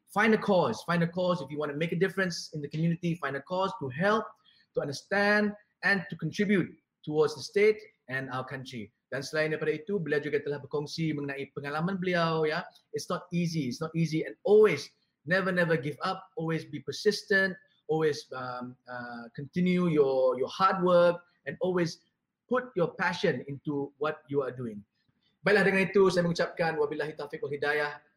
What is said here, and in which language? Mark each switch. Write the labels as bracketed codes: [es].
[en] Find a cause if you want to make a difference in the community. Find a cause to help, to understand and to contribute towards the state and our country. [ms] Dan selain daripada itu, beliau juga telah berkongsi mengenai pengalaman beliau ya. [en] It's not easy and always never give up, always be persistent, always continue your hard work and always put your passion into what you are doing. [ms] Baiklah, dengan itu saya mengucapkan wabillahi taufiq wal hidayah.